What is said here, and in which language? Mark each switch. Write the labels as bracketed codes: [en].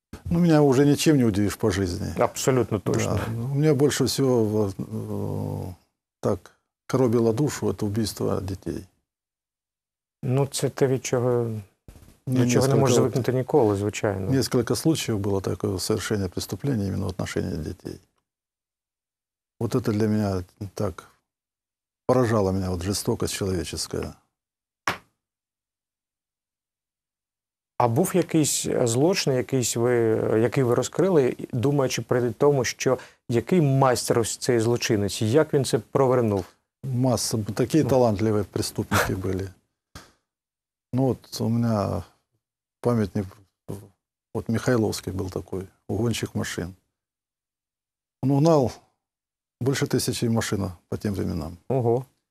[uk] Ну, мене вже нічим не удивиш по житті. Абсолютно точно. Да. У мене більше всього так. [ru] Коробило душу, это убийство детей. [uk] Ну, це те, від чого, ну, від чого не може звикнути ніколи, звичайно. [ru] Несколько случаев было такое совершение преступления именно в отношении детей. Вот это для меня так поражало меня, вот жестокость человеческая. [uk] А був якийсь злочин, який ви розкрили, думаючи при тому, що який майстер ось цей злочинець, як він це провернув? [ru] Масса. Такие талантливые преступники были. Ну вот у меня памятник, вот Михайловский был такой, угонщик машин. Он угнал больше 1000 машин по тем временам. Ого.